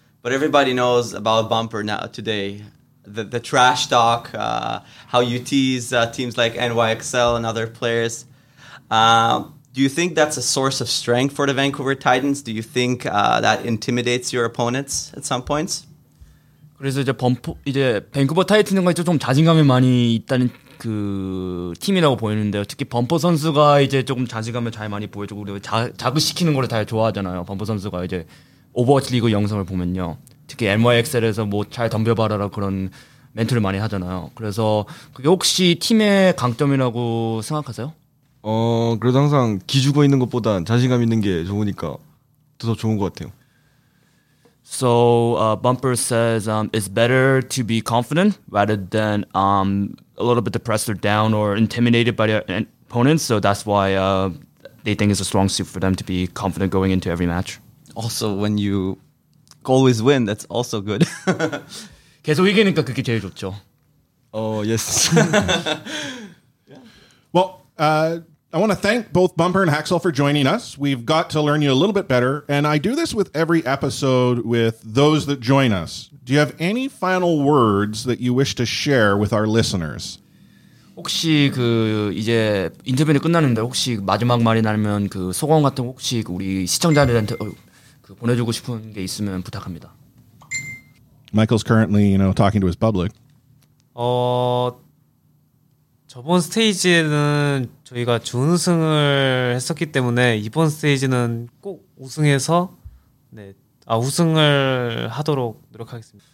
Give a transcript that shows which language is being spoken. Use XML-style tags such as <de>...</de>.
<en>But everybody knows about Bumper now today. The trash talk, how you tease teams like NYXL and other players. Do you think that's a source of strength for the Vancouver Titans? Do you think that intimidates your opponents at some points?</en> <ko>그래서 이제 범퍼 이제 밴쿠버 타이틀과 이제 좀 자신감이 많이 있다는 그 팀이라고 보이는데요. 특히 범퍼 선수가 이제 조금 자신감을 잘 많이 보여주고 그리고 자극시키는 걸 다 좋아하잖아요. 범퍼 선수가 이제 오버워치 리그 영상을 보면요. 특히 NYXL에서 뭐 잘 덤벼봐라 그런 멘트를 많이 하잖아요. 그래서 그게 혹시 팀의 강점이라고 생각하세요? 그래도 항상 기죽어 있는 것보단 자신감 있는 게 좋으니까 더 좋은 것 같아요.</ko> <en>So Bumper says it's better to be confident rather than a little bit depressed or down or intimidated by your opponents. So that's why they think it's a strong suit for them to be confident going into every match. Also, when you always win, that's also good.</en> <ko>계속 이기니까 그게 제일 좋죠.</ko> <en>Yes. Well, I want to thank both Bumper and Haxel for joining us. We've got to learn you a little bit better, and I do this with every episode with those that join us. Do you have any final words that you wish to share with our listeners?</en> <ko>혹시 그 이제 인터뷰는 끝났는데 혹시 마지막 말이 나면 그 소감 같은 혹시 우리 시청자들한테 그 보내주고 싶은 게 있으면 부탁합니다.</ko> <en>Michael's currently, you know, talking to his public.</en> <ko>저번 스테이지에는 저희가 준우승을 했었기 때문에 이번 스테이지는 꼭 우승해서 우승을 하도록 노력하겠습니다.</ko>